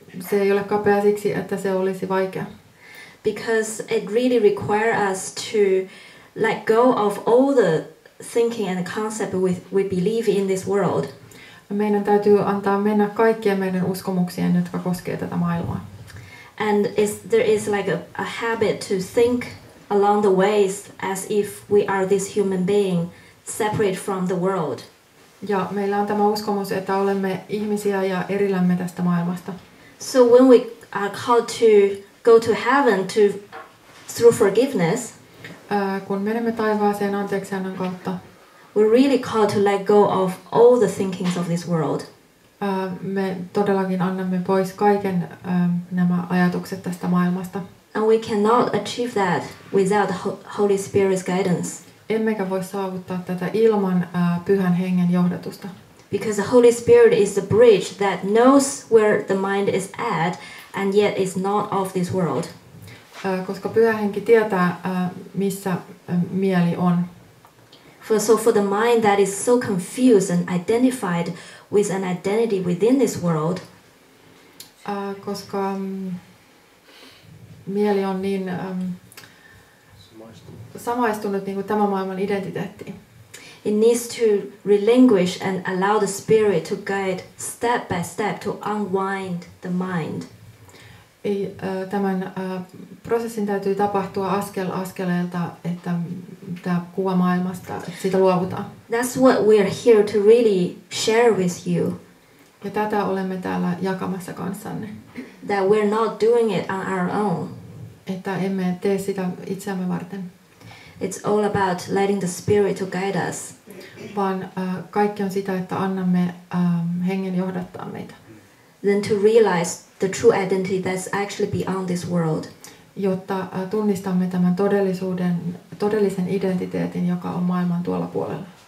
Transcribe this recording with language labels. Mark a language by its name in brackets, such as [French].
[Finnish] Se ei ole kapea siksi, että se olisi vaikea. [English] Because it really requires us to let go of all the thinking and the concept we believe in this world. [Finnish] Meidän täytyy antaa mennä kaikkien meidän uskomuksien, jotka koskee tätä maailmaa. [English] And there is like a habit to think along the ways as if we are this human being separate from the world. [Finnish] Ja meillä on tämä uskomus, että olemme ihmisiä ja erillämme tästä maailmasta. [English] So when we are called to go to heaven through forgiveness, [Finnish] kun menemme taivaaseen anteeksiannon kautta, [English] we're really called to let go of all the thinkings of this world. [Finnish] Me todellakin annamme pois kaiken nämä ajatukset tästä maailmasta. [English] And we cannot achieve that without Holy Spirit's guidance. [Finnish] Emmekä voi saavuttaa tätä ilman Pyhän Hengen johdatusta. [English] Because the Holy Spirit is the bridge that knows where the mind is at and yet is not of this world. [Finnish] Koska Pyhä Henki tietää missä mieli on. [English] For the mind that is so confused and identified with an identity within this world. [Finnish] Koska mieli on niin samaistunut niin kuin tämän maailman identiteettiin. [English] It needs to relinquish and allow the spirit to guide step by step to unwind the mind. [Finnish] Tämän prosessin täytyy tapahtua askel askeleelta, että tämä kuva maailmasta, siitä luovutaan. [English] That's what we are here to really share with you. [Finnish] Ja tätä olemme täällä jakamassa kanssanne. [English] That we're not doing it on our own. [Finnish] Että emme tee sitä itseämme varten. [English] It's all about letting the spirit to guide us. [Finnish] Vaan kaikki on sitä, että annamme hengen johdattaa meitä. [English] Then to realize the true identity that's actually beyond this world. [Finnish] Jotta tunnistamme tämän todellisuuden, todellisen identiteetin, joka on maailman tuolla puolella.